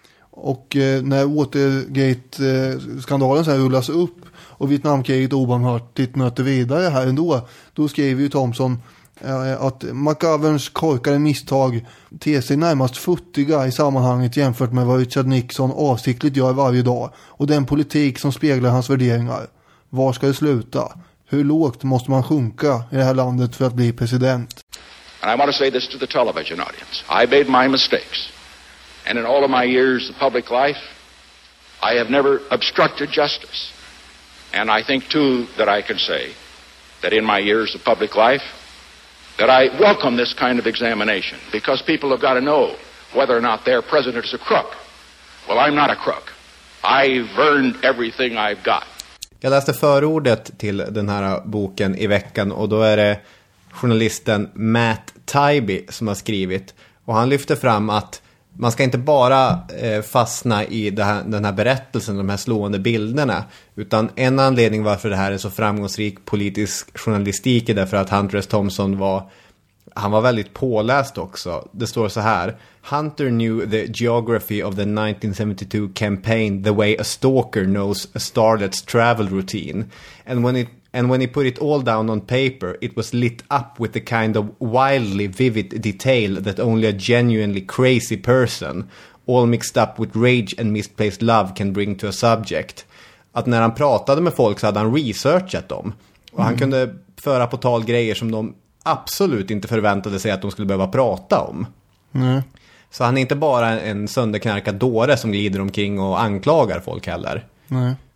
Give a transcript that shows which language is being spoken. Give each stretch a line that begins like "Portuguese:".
Swedish: Och när Watergate-skandalen så här rullas upp och Vietnamkriget obarmhärtigt möter vidare här ändå, då skriver ju Thompson att McGoverns korkade misstag ter sig närmast futtiga i sammanhanget jämfört med vad Richard Nixon avsiktligt gör varje dag och den politik som speglar hans värderingar. Var ska det sluta? Hur lågt måste man sjunka i det här landet för att bli president?
English: And I want to say this to the television audience. I made my mistakes. and in all of my years of public life, I have never obstructed justice. And I think, too, that I can say that in my years of public life, that I welcome this kind of examination, because people have got to know whether or not their president is a crook. Well, I'm not a crook. I've earned everything I've got.
Swedish: Jag läste förordet till den här boken i veckan, och då är det journalisten Matt Taibbi som har skrivit. Och han lyfter fram att man ska inte bara fastna i den här berättelsen, de här slående bilderna. Utan en anledning varför det här är så framgångsrik politisk journalistik är därför att Hunter S. Thompson var väldigt påläst också. Det står så här:
English: Hunter knew the geography of the 1972 campaign the way a stalker knows a starlet's travel routine. And when he put it all down on paper, it was lit up with the kind of wildly vivid detail that only a genuinely crazy person, all mixed up with rage and misplaced love, can bring to a subject.
Swedish: Att när han pratade med folk så hade han researchat dem. Och han kunde föra på tal grejer som de absolut inte förväntade sig att de skulle behöva prata om. Mm. Så han är inte bara en sönderknarkad dåre som glider omkring och anklagar folk heller. Nej. Mm.